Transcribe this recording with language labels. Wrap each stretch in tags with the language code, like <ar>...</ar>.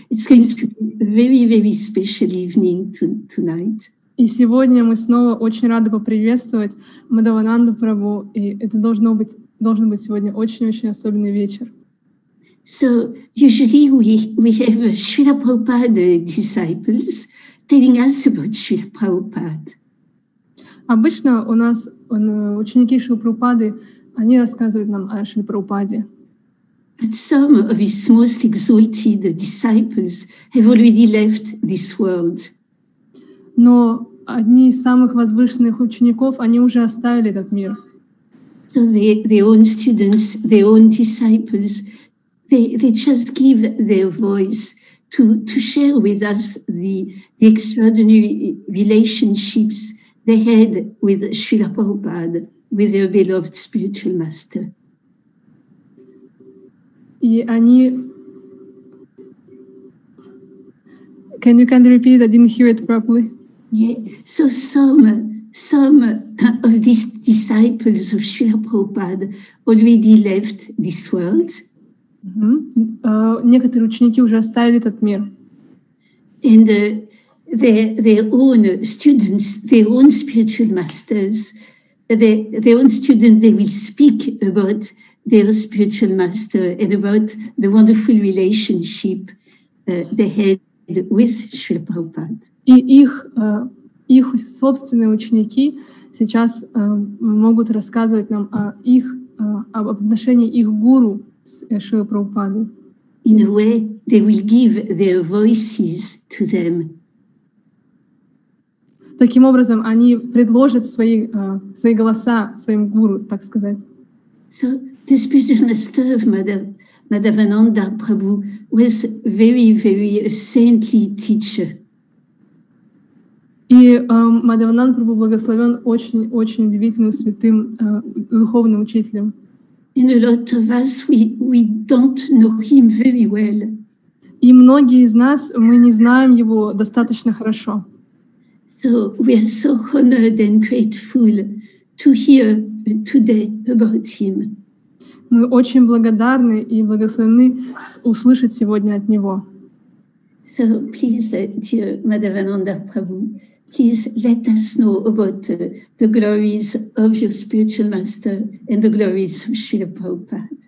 <en>It's going to be a very, very special evening tonight.</en> <ru>И сегодня мы снова очень рады поприветствовать Мадхавананду Прабху, и это должен быть сегодня очень-очень особенный вечер.</ru> <en>So usually we have Srila Prabhupada disciples telling us about Srila Prabhupada.</en> <ru>Обычно у нас ученики Шрилы Прабхупады, они рассказывают нам о Шриле Прабхупаде.</ru> <en>But some of his most exalted disciples have already left this world.</en> <ru>Но одни из самых возвышенных учеников, они уже оставили этот мир.</ru> <en>So their own students, their own disciples, they just give their voice to share with us the extraordinary relationships they had with Srila Prabhupada, with their beloved spiritual master.</en> <ru>И они...</ru> <en>Can you repeat? I didn't hear it properly. Yeah, so some of these disciples of Srila Prabhupada already left this world.</en> <ru>Некоторые ученики уже оставили этот мир.</ru> <en>And their own students, their own spiritual masters, their own students, they will speak about their spiritual master and about the wonderful relationship they had with Srila Prabhupada.</en> <ru>И их собственные ученики сейчас могут рассказывать нам о их об отношении их гуру с Шрилой Прабхупадой.</ru> <en>In a way, they will give their voices to them.</en> <ru>Таким образом, они предложат свои голоса своим гуру, так сказать.</ru> <en>So the spiritual master of Madhavananda Prabhu was very, very a saintly teacher.</en> <ru>И Мадхавананда Прабху благословен очень-очень удивительным святым духовным учителем.</ru> <en>In a lot of us, we don't know him very well.</en> <ru>И многие из нас, мы не знаем его достаточно хорошо.</ru> <en>So we are so honored and grateful to hear today about him.</en> <ru>Мы очень благодарны и благословлены услышать сегодня от него.</ru> <en>So please, dear Мадхавананда Прабху, please let us know about the glories of your spiritual master and the glories of Srila Prabhupada.</en>